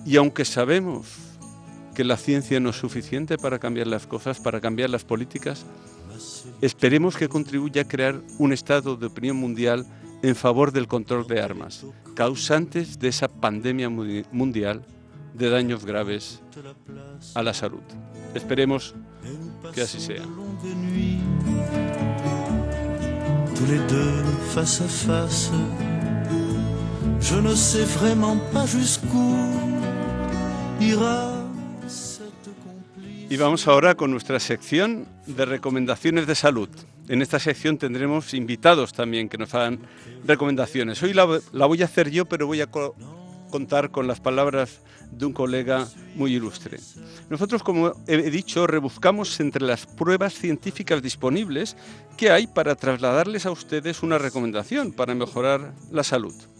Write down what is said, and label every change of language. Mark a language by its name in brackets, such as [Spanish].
[Spanish] Y aunque sabemos que la ciencia no es suficiente para cambiar las cosas, para cambiar las políticas, esperemos que contribuya a crear un estado de opinión mundial en favor del control de armas, causantes de esa pandemia mundial de daños graves a la salud. Esperemos que así sea. [French] Tous les deux face à face, je ne sais vraiment pas jusqu'où ira cette complicité. [Spanish] Y vamos ahora con nuestra sección de recomendaciones de salud. En esta sección tendremos invitados también que nos hagan recomendaciones. Hoy la voy a hacer yo, pero voy a contar con las palabras de un colega muy ilustre. Nosotros, como he dicho, rebuscamos entre las pruebas científicas disponibles que hay para trasladarles a ustedes una recomendación para mejorar la salud.